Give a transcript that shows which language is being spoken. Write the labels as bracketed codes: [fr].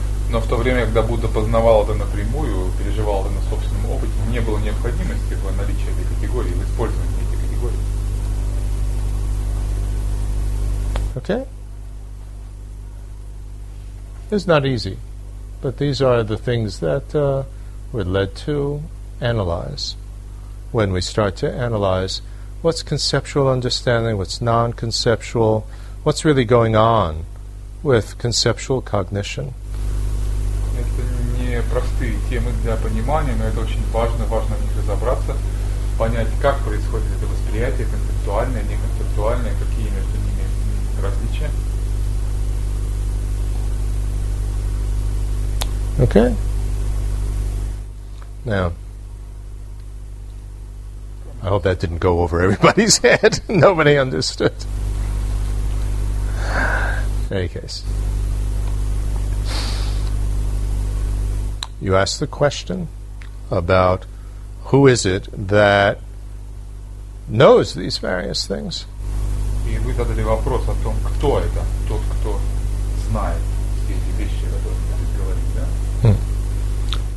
[ru] Но в то время, когда Будда познавал это напрямую, переживал это на собственном опыте, не было необходимости в наличии этой категории, в использовании этой категории. [en] Okay. It's not easy. But these are the things that we're led to analyze. When we start to analyze what's conceptual understanding, what's non-conceptual, what's really going on with conceptual cognition. [ru] Это не простые темы для понимания, но это очень важно, важно в них разобраться, понять, как происходит это восприятие, концептуальное, неконцептуальное, какие между ними различия. [en] Okay. Now, I hope that didn't go over everybody's head. Nobody understood. In any case. You ask the question about who is it that knows these various things. [ru] И вы задали вопрос о том, кто это, тот, кто знает все эти вещи, о которых вы говорите, да?